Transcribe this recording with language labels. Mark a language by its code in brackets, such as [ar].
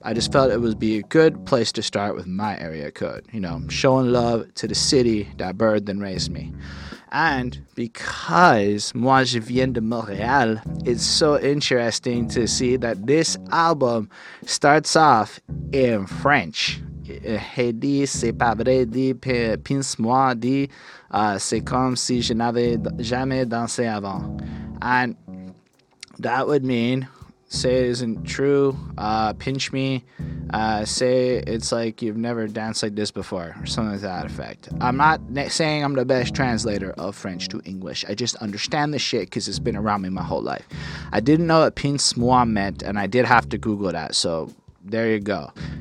[en] I just felt it would be a good place to start with my area code. You know, showing love to the city that birthed and raised me. And because [fr] moi je viens de Montréal, [en] it's so interesting to see that this album starts off in French. [fr] Hey, dit, c'est pas vrai, dit, pince-moi, dit, c'est comme si je n'avais jamais dansé avant. [en] And that would mean, say it isn't true, pinch me, say it's like you've never danced like this before, or something to that effect. I'm not saying I'm the best translator of French to English. I just understand the shit because it's been around me my whole life. I didn't know what pince-moi meant, and I did have to Google that, so there you go.